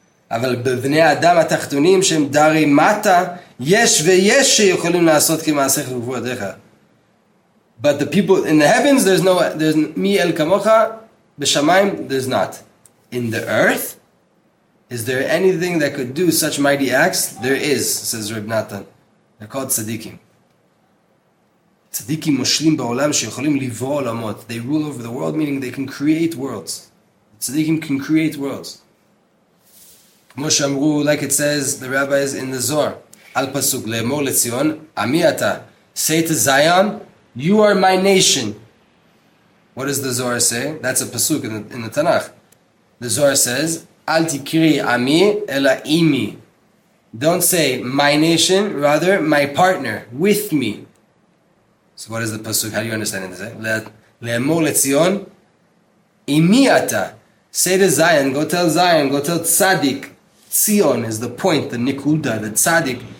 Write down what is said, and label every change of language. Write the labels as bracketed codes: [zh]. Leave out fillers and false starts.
[he] אבל בבני אדם התחתונים שהם דרי מטה, יש ויש שיכולים לעשות כמעשיך ובבוא דרך. [en] But the people in the heavens, there's no, there's מי אל כמוך, בשמיים, there's not. In the earth, is there anything that could do such mighty acts? There is, says Reb Natan. They're called tzaddikim. [he] Tzaddikim מושלים בעולם שיכולים לברוא עולמות. [en] They rule over the world, meaning they can create worlds. Tzaddikim can create worlds. כמו שאמרו, like it says, the rabbis in the Zohar, על פסוק, לאמור לציון, עמי אתה, say to Zion, you are my nation. What does the Zohar say? That's a pasuk in the Tanakh. The Zohar says, אל תקרי עמי, אלא אימי. Don't say, my nation, rather, my partner, with me. So what is the pasuk? How do you understand it? לאמור לציון, אימי אתה, say to Zion, go tell Zion, go tell Tzadik, Tzion is the point, the nikuda, the tzaddik.